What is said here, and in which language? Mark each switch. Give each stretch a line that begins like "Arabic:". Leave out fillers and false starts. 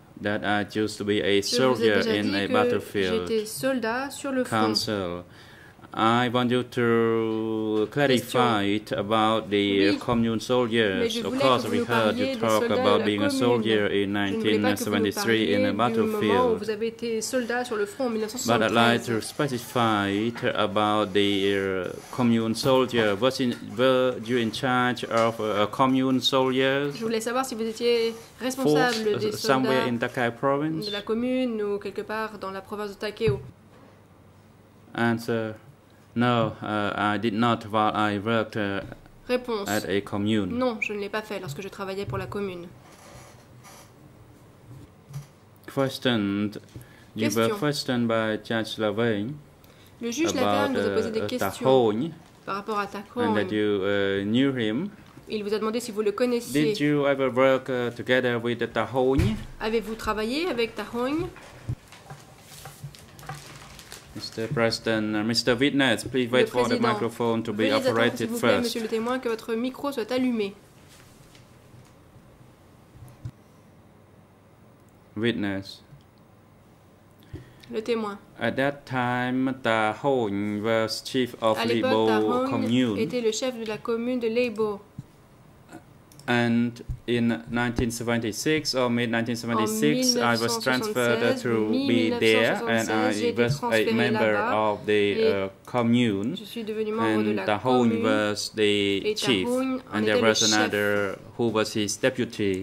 English: that I used to be a soldier in a battlefield.
French: J'étais soldat sur le
English: Council. I want you to clarify it about the commune soldiers. Of course, we heard you talk about being a soldier in 1973 in a battlefield.
French: Vous avez été soldat sur le front en
English: 1973. But I'd like to specify it about the commune soldier. Were you in charge of commune soldiers?
French: Je voulais savoir si vous étiez responsable des soldats
English: somewhere in Takai province?
French: De la commune ou quelque part dans la province de Takeo.
English: Answer. No, I did not while I worked
French: Réponse.
English: At a commune.
French: Non, je ne l'ai pas fait lorsque je travaillais pour la commune.
English: Questioned.
French: Question.
English: You were questioned by Judge Lavigne.
French: Le juge Lavigne vous a posé des questions
English: Tahogne,
French: par rapport à Tahogne.
English: And that you knew him.
French: Il vous a demandé si vous le connaissiez.
English: Did you ever work together with Tahogne?
French: Avez-vous travaillé avec Tahogne?
English: Mr. President, Mr. Witness, please wait for the microphone to be operated
French: s'il vous plaît,
English: first.
French: Monsieur le témoin, que votre micro soit allumé.
English: Witness.
French: Le témoin.
English: At that time, Tahogne was chief of Leibo commune.
French: Tahogne était le chef de la commune de Leibo.
English: And in 1976 or mid-1976, I was transferred to be there, and I was a member of the commune, and Tahogne was the chief, and there was another who was his deputy.